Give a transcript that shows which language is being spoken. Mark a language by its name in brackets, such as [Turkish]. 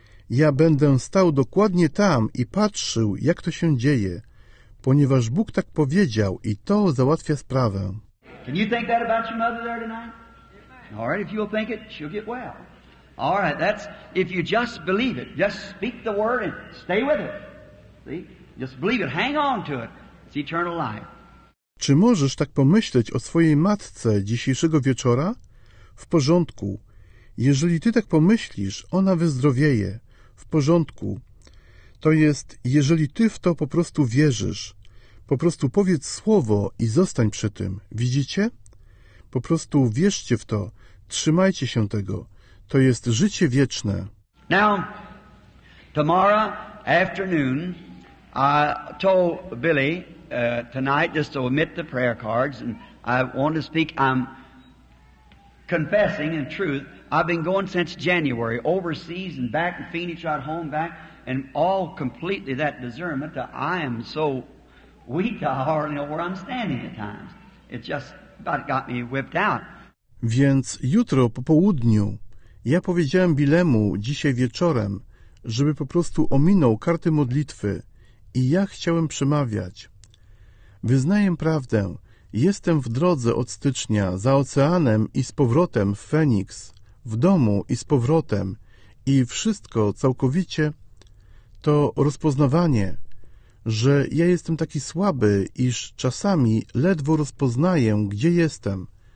[Polish] Ja będę stał dokładnie tam i patrzył, jak to się dzieje, ponieważ Bóg tak powiedział i to załatwia sprawę. [English] Can you think that about your mother there tonight? All right, if you'll think it, she'll get well. All right, that's if you just believe it, just speak the word and stay with it. See? Just believe it, hang on to it. It's eternal life. [Polish] Czy możesz tak pomyśleć o swojej matce dzisiejszego wieczora? W porządku. Jeżeli ty tak pomyślisz, ona wyzdrowieje. W porządku. To jest, jeżeli ty w to po prostu wierzysz. Po prostu powiedz słowo i zostań przy tym. Widzicie? Po prostu wierzcie w to. Trzymajcie się tego. To jest życie wieczne. [English] Now, tomorrow afternoon, I told Billy tonight just to omit the prayer cards and I want to speak. I'm confessing in truth. I've been going since January, overseas and back in Phoenix, right home back, and all completely that discernment. I am so weak, I hardly know where I'm standing at times. It's just about got me whipped out. [Polish] Więc jutro po południu ja powiedziałem Billemu dzisiaj wieczorem, żeby po prostu ominął karty modlitwy i ja chciałem przemawiać. Wyznaję prawdę, jestem w drodze od stycznia za oceanem i z powrotem w Phoenix, w domu i z powrotem i wszystko całkowicie to rozpoznawanie, że ja jestem taki słaby, iż czasami ledwo rozpoznaję, gdzie jestem.